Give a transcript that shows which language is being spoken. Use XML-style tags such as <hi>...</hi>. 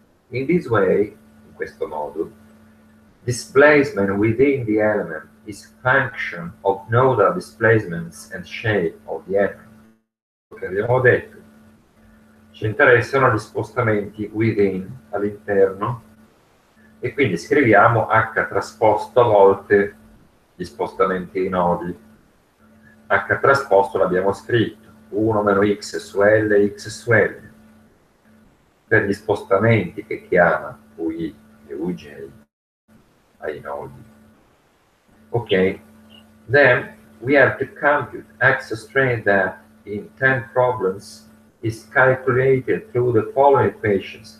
<en>In this way,</en> <it>in questo modo,</it> <en>displacement within the element is function of nodal displacements and shape of the element.</en> <it>Che abbiamo detto, ci interessano gli spostamenti within, all'interno, e quindi scriviamo H trasposto a volte gli spostamenti dei nodi. H trasposto l'abbiamo scritto, 1 meno x su L, x su L, per gli spostamenti che chiama UI e UJ ai nodi.</it> <en>Ok, then we have to compute axial strain that in 10 problems is calculated through the following equations.</en>